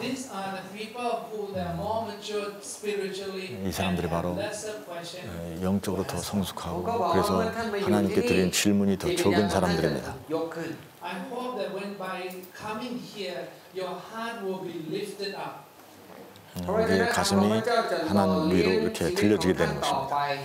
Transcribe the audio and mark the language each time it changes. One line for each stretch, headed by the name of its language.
English: These are the people who are more mature spiritually.
Korean: 이 사람들이 바로 영적으로 더 성숙하고 그래서 하나님께 드린 질문이 더 적은 사람들입니다.
English: I hope that when by coming here, your heart will be lifted up.
Korean: 우리의 가슴이 하나님 위로 이렇게 들려지게 되는 것입니다.